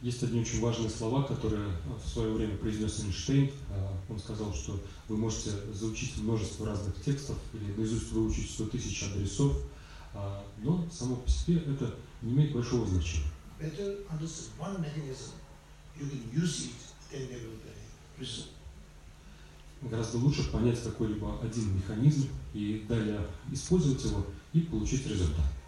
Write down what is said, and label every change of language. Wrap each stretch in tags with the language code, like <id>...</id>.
<ru>Есть одни очень важные слова, которые в свое время произнес Эйнштейн. Он сказал, что вы можете заучить множество разных текстов или наизусть выучить 100 тысяч адресов, но само по себе это не имеет большого значения.</ru> <en>Better understand one mechanism, you can use it, then there will be result.</en> <ru>Гораздо лучше понять какой-либо один механизм и далее использовать его и получить результат.</ru>